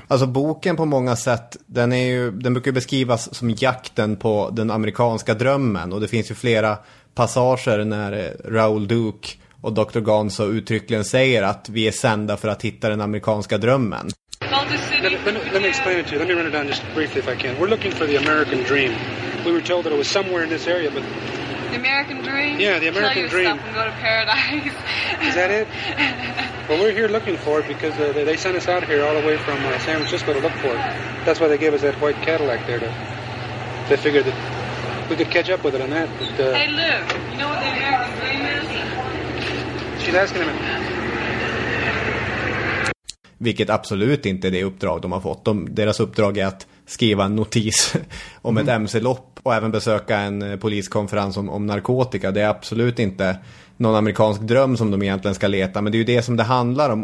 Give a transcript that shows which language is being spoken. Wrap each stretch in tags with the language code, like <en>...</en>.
<sv>Alltså boken på många sätt, den brukar beskrivas som jakten på den amerikanska drömmen. Och det finns ju flera passager när Raoul Duke och Dr. Gonzo uttryckligen säger att vi är sända för att hitta den amerikanska drömmen.</sv> <en>Let me explain it to you. Let me run it down just briefly if I can. We're looking for the American dream. We were told that it was somewhere in this area, but... The American dream? Yeah, the American dream. Tell you stuff and go to paradise. Is that it? Well, we're here looking for it because they sent us out here all the way from San Francisco to look for it. That's why they gave us that white Cadillac there. They figured that we could catch up with it on that. But, hey, Lou, you know what the American dream is? She's asking him.</en> <sv>Vilket absolut inte är det uppdrag de har fått. Deras uppdrag är att skriva en notis om ett MC-lopp och även besöka en poliskonferens om narkotika. Det är absolut inte någon amerikansk dröm som de egentligen ska leta, men det är ju det som det handlar om.</sv>